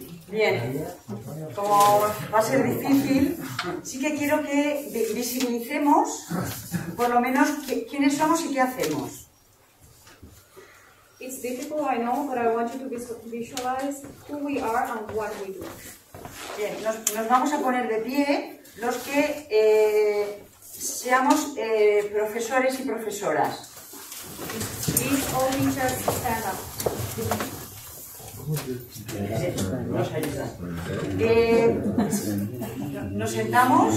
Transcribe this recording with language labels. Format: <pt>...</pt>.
<es>Bien, como va a ser difícil, sí que quiero que visibilicemos por lo menos quiénes somos y qué hacemos.</es> <en>It's difficult, I know, but I want you to visualize who we are and what we do.</en> <es>Bien, nos vamos a poner de pie los que seamos profesores y profesoras.</es> <en>Please all teachers stand up.</en> <es>Nos ayuda. Nos sentamos.</es>